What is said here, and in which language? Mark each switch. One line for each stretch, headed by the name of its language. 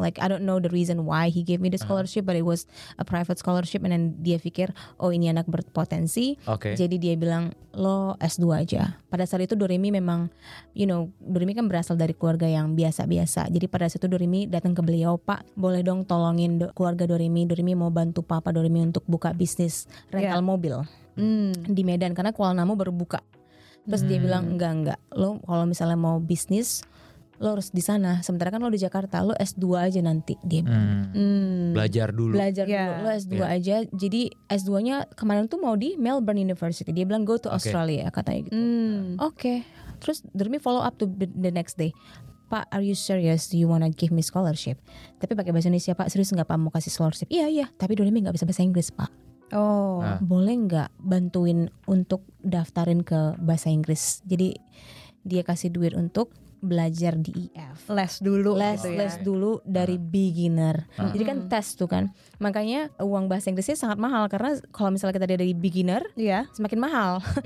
English: Like I don't know the reason why he gave me the scholarship, but it was a private scholarship, and then
Indonesian: dia pikir, oh ini anak berpotensi.
English: Okay.
Indonesian: Jadi dia bilang lo S2 aja. Pada saat itu Doremi memang,
English: you know,
Indonesian: Doremi kan berasal dari keluarga yang biasa-biasa. Jadi pada saat itu Doremi datang ke beliau, Pak, boleh dong tolongin keluarga Doremi. Doremi mau bantu Papa Doremi untuk buka bisnis rental mobil di Medan karena Kuala Namu baru buka. Terus dia bilang enggak, lo kalau misalnya mau bisnis lo harus di sana, sementara kan lo di Jakarta, lo S2 aja nanti dia belajar dulu lo S2 aja. Jadi S2-nya kemarin tuh mau di Melbourne University, dia bilang
English: go to Australia
Indonesian: katanya gitu.
English: Terus Doremi follow up to the next day, Pak, are you serious? Do you wanna give me scholarship?
Indonesian: Tapi pakai bahasa Indonesia, Pak, serius nggak Pak mau kasih scholarship? Iya, tapi Doremi nggak bisa bahasa Inggris, Pak. Boleh nggak bantuin untuk daftarin ke bahasa Inggris? Jadi dia kasih duit untuk belajar di EF, les dulu dari beginner. Jadi kan tes tuh kan, makanya uang bahasa Inggrisnya sangat mahal karena kalau misalnya kita dari beginner, semakin mahal.